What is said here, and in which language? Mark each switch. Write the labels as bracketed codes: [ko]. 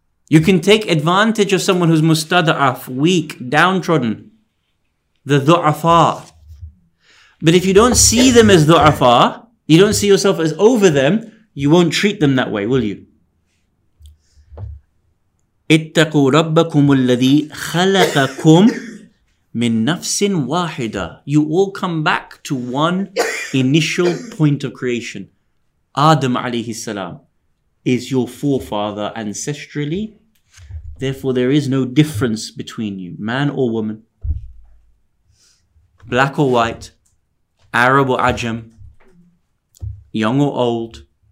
[en] You can take advantage of someone who's mustada'af, weak, downtrodden, the du'afa. But if you don't see them as du'afa, you don't see yourself as over them, you won't treat them that way, will you? [ar] اتقوا ربكم الذي خلقكم من نفس واحدة. [en] You all come back to one initial point of creation. Adam alayhi salam is your forefather ancestrally. Therefore, there is no difference between you, man or woman, black or white, Arab or Ajam, young or old.